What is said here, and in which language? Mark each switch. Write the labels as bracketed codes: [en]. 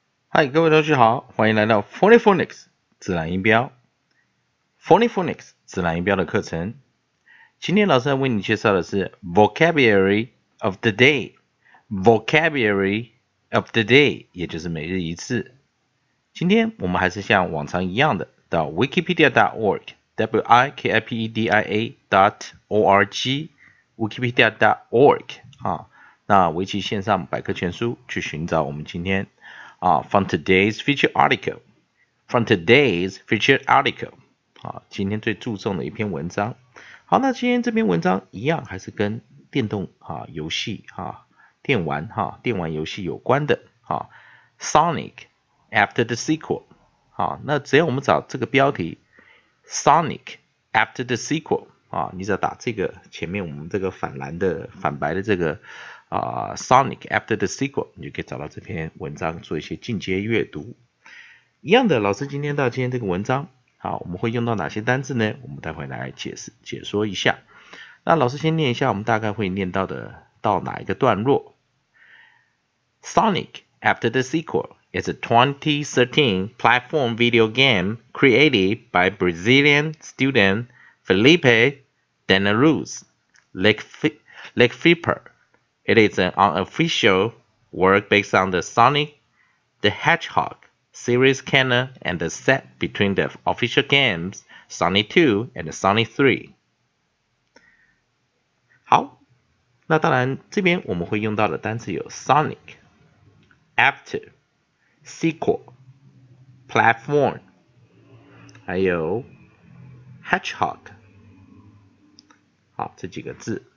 [zh] 嗨，各位同学好，欢迎来到 Phonyphonics 自然音标。 Phonyphonics 自然音标的课程，今天老师要为你介绍的是 [en] Vocabulary of the Day。 Vocabulary of the Day [zh] 也就是每日一词。今天我们还是像往常一样的到 wikipedia.org，wikipedia.org 啊，那维基线上百科全书去寻找我们今天。 [en] From today's featured article. From today's featured article. [zh] 今天最注重的一篇文章。好，那今天这篇文章一样还是跟电动游戏电玩游戏有关的。 [en] Sonic after the sequel. [zh] 那只要我们找这个标题 [en] Sonic after the sequel. [zh] 你只要打这个前面我们这个反白的这个Sonic After the Sequel， 你就可以找到这篇文章做一些进阶阅读。一样的，老师今天到今天这个文章，好，我们会用到哪些单字呢？我们待会来解说一下。那老师先念一下，我们大概会念到的到哪一个段落 [en] ？Sonic After the Sequel is a 2013 platform video game created by Brazilian student Felipe Denaruz Lickfipper. It is an unofficial work based on the Sonic the Hedgehog series canon and the set between the official games Sonic 2 and Sonic 3. [zh] 好，那当然这边我们会用到的单词有 Sonic, After, Sequel, Platform, 还有 Hedgehog. 好，这几个字。